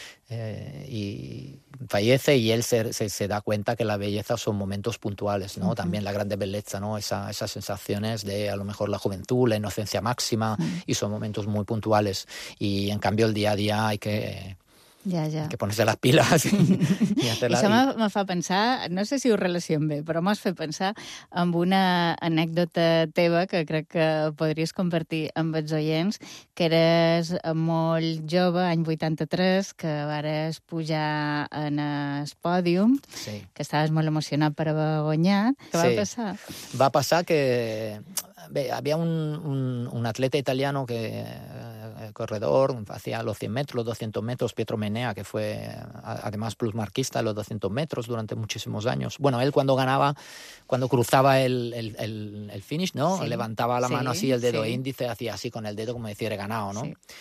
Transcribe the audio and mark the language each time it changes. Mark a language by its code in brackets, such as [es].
[es] Y fallece y él se da cuenta que la belleza son momentos puntuales, ¿no? Uh-huh. También la grande belleza, ¿no? Esas sensaciones de a lo mejor la juventud, la inocencia máxima, uh-huh. Y son momentos muy puntuales. Y en cambio el día a día hay que... [ca] Ja. [es] Que pones les piles. [ca] Això me fa pensar, no sé si ho relaciono bé, però m'has fet pensar amb una anècdota teva que crec que podries compartir amb els oients, que eres molt jove, any 83, que vares pujar en el pòdium, sí. Que estaves molt emocionat per haver guanyat. Què va passar? Va passar que... Bé, havia un atleta italiano que... [es] corredor, hacía los 100 metros, los 200 metros, Pietro Mennea, que fue además plusmarquista en los 200 metros durante muchísimos años. Bueno, él cuando ganaba, cuando cruzaba el finish, ¿no? Sí, levantaba la mano así, el dedo índice, hacía así con el dedo, como decir, he ganado, ¿no? Sí.